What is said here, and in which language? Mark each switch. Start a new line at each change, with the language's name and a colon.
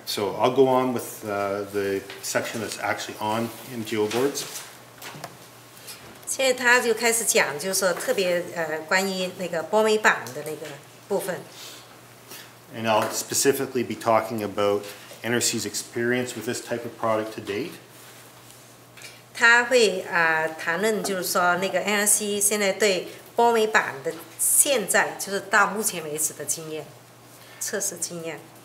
English: So I'll go on with the section that's actually on MGO boards.
Chinese: 现在他就开始讲，就是说特别关于那个玻美板的那个部分。And
English: I'll specifically be talking about NRC's experience with this type of product to date.
Chinese: 他会谈论就是说那个 NRC 现在对玻美板的现在就是到目前为止的经验，测试经验。